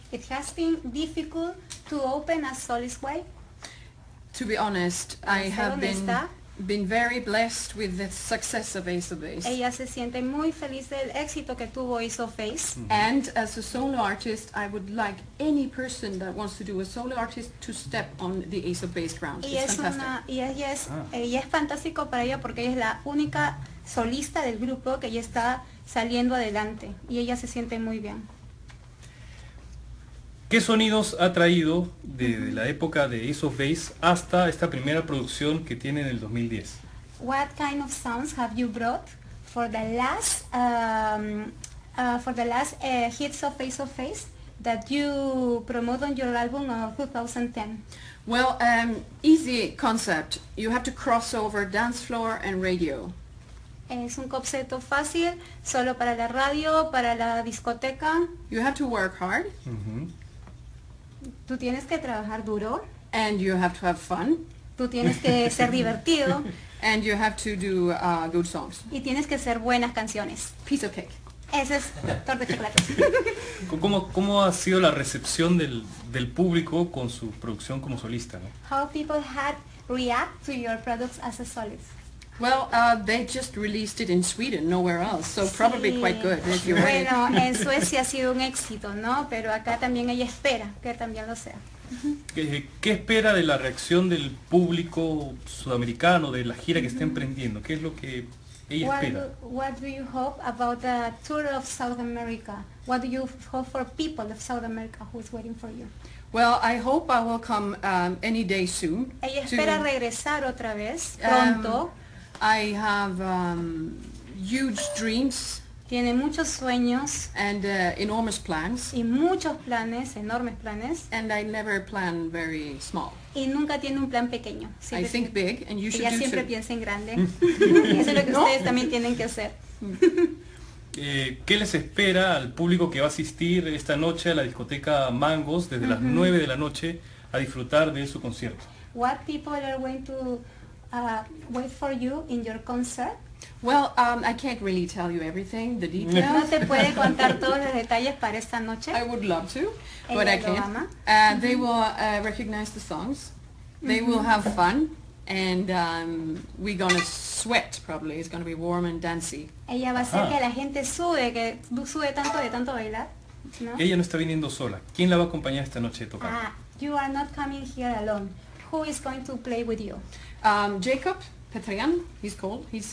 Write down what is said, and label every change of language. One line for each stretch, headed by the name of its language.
English: It has been difficult to open a solist way. To be honest, I have been very blessed with the success of Ace of Base.
Spanish: Ella se siente muy feliz del éxito que tuvo Ace of Base. Mm-hmm.
English: And as a solo artist, I would like any person that wants to do a solo artist to step on the Ace of Base ground.
Spanish: Ella es fantástico para ella porque ella es la única solista del grupo que ya está saliendo adelante y ella se siente muy bien. ¿Qué sonidos ha traído de la época de Ace of Base hasta esta primera producción que tiene en el 2010?
English: What kind of sounds have you brought for the last hits of Ace of Base that you promote on your album of 2010? Well, easy concept. You have to cross over dance floor and radio.
Spanish: Es un concepto fácil, solo para la radio, para la discoteca.
English: You have to work hard.
Spanish: Tú tienes que trabajar duro.
English: And you have to have fun.
Spanish: Tú tienes que ser divertido.
English: And you have to do good songs.
Spanish: Y tienes que ser buenas canciones.
English: Piece of cake.
Spanish: Ese es torta de chocolate. ¿Cómo ha sido la recepción del público con su producción como solista, ¿no?
English: How people had react to your products as a solist? Well, they just released it in Sweden, nowhere else, so probably quite good.
Spanish: Bueno, en Suecia ha sido un éxito, ¿no? Pero acá también ella espera que también lo sea. ¿Qué espera de la reacción del público sudamericano, de la gira que está emprendiendo? ¿Qué es lo que ella espera?
English: What do you hope about the tour of South America? What do you hope for people of South America who is waiting for you? Well, I hope I will come any day soon.
Spanish: Ella espera regresar otra vez, pronto.
English: I have huge dreams.
Spanish: Tiene muchos sueños.
English: And enormous plans.
Spanish: Y muchos planes, enormes planes.
English: And I never plan very small.
Spanish: Y nunca tiene un plan pequeño. Siempre
English: I think big, and you should do
Spanish: too. Ella siempre piensa en grande. Y eso es lo que ustedes también tienen que hacer. ¿Qué les espera al público que va a asistir esta noche a la discoteca Mangos desde las 9 de la noche a disfrutar de su concierto?
English: What people are going to wait for you in your concert? Well, I can't really tell you everything, the details.
Spanish: No te puede contar todos los detalles para esta noche.
English: I would love to, but I can't. They will recognize the songs. They will have fun. And we're gonna sweat probably. It's gonna be warm and dancey.
Spanish: Ella va a hacer que la gente sude, que sude tanto de tanto bailar. ¿No? Ella no está viniendo sola. ¿Quién la va a acompañar esta noche de tocar?
English: You are not coming here alone. Who is going to play with you? Jacob Petrian, he's called. He's